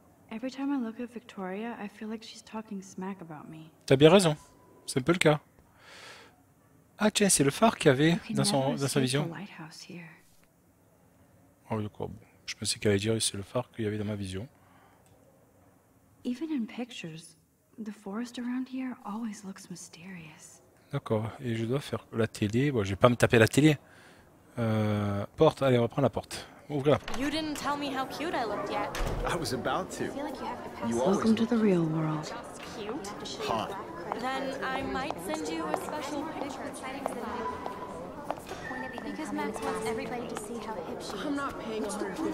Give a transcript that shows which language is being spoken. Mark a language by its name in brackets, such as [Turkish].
[English] Every time I look at Victoria, I feel like she's talking smack about me. [French] T'as bien raison. C'est un peu le cas. Ah tiens, c'est le phare qu'il y avait dans sa vision. Oh, de quoi? Bon, je pensais qu'elle allait dire que c'est le phare qu'il y avait dans ma vision. [English] Even in pictures, the forest around here always looks mysterious. [French] D'accord. Et je dois faire la télé. Bon, je vais pas me taper la télé. Porte. Allez, on va prendre la porte. ouvrez la. [English] You didn't tell me how cute I looked yet. I was about to. I feel like you have to pass. You welcome to the real world. Just cute. Hot. Then I might send you a special picture. What's the point of even? Because Max wants everybody to see how hip she is. I'm not paying $150.